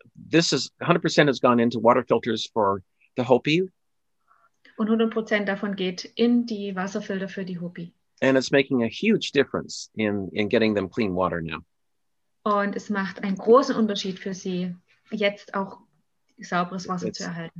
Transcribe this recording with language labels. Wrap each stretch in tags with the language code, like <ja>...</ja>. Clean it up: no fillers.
<en>This is 100% has gone into water filters for the Hopi.</en> <de>Und 100% davon geht in die Wasserfilter für die Hopi.</de> <en>And it's making a huge difference in getting them clean water now.</en> <de>Und es macht einen großen Unterschied für sie, jetzt auch sauberes Wasser zu erhalten.</de>